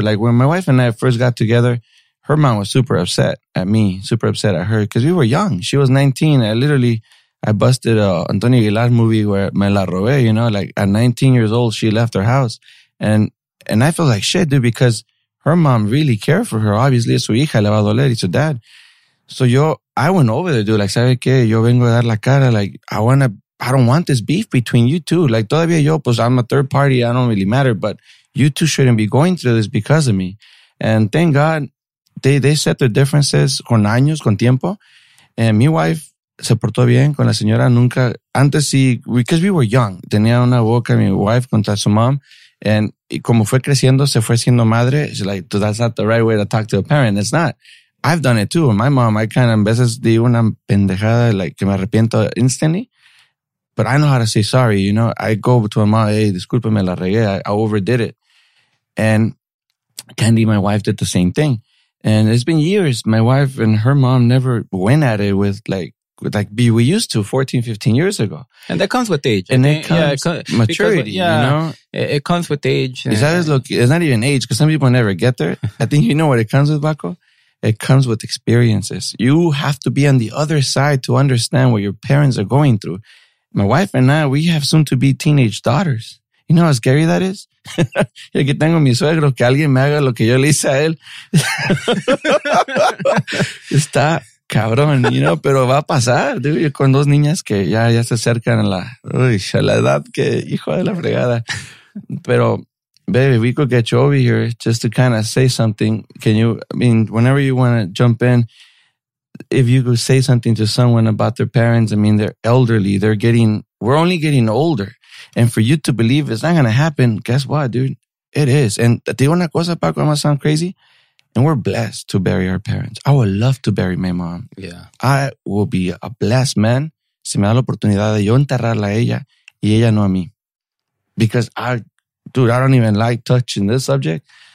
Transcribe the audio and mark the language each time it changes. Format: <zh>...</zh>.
<en>Like when my wife and I first got together, her mom was super upset at me, super upset at her, because we were young. She was 19. I busted a Antonio Aguilar movie where</en> <es>me la robé,</es> <en>you know, like at 19 years old, she left her house. And I felt like shit, dude, because her mom really cared for her.</en> <es>Obviously, su hija le va a doler, y su dad.</es> <en>So I went over there, dude, like,</en> <es>¿sabe qué? Yo vengo a dar la cara,</es> <en>like, I don't want this beef between you two. Like,</en> <es>todavía yo, pues,</es> <en>I'm a third party, I don't really matter, but you two shouldn't be going through this because of me. And thank God, they set their differences</en> <es>con años, con tiempo. And mi wife se portó bien con la señora. Nunca, antes sí,</es> <en>because we were young.</en> <es>Tenía una boca mi wife contra su mom. And y como fue creciendo, se fue siendo madre.</es> <en>She's like, that's not the right way to talk to a parent. It's not. I've done it too. My mom, I kind of,</en> <es>a veces di una pendejada, like, que me arrepiento instantly.</es> <en>But I know how to say sorry, you know. I go to my mom, hey,</en> <es>discúlpame, la regué.</es> <en>I overdid it. And Candy, my wife, did the same thing. And it's been years. My wife and her mom never went at it with we used to 14, 15 years ago. And that comes with age. And it comes with maturity, It comes with age. It's not even age, because some people never get there. I think you know what it comes with, Baco? It comes with experiences. You have to be on the other side to understand what your parents are going through. My wife and I, we have soon to be teenage daughters. You know how scary that is?</en> <es>Yo que tengo mi suegro, que alguien me haga lo que yo le hice a él. Está cabrón, you know, pero va a pasar, dude, con dos niñas que ya se acercan a la edad que hijo de la fregada.</es> <en>Pero, baby, we could get you over here just to kind of say something. Whenever you want to jump in, if you could say something to someone about their parents, I mean, they're elderly, we're only getting older. And for you to believe it's not going to happen, guess what, dude? It is. And</en> <es>te digo una cosa,</es> <en>Paco, I'm going to sound crazy. And we're blessed to bury our parents. I would love to bury my mom. Yeah. I will be a blessed man</en> <es>si me da la oportunidad de yo enterrarla a ella y ella no a mí.</es> <en>Because I don't even like touching this subject.</en>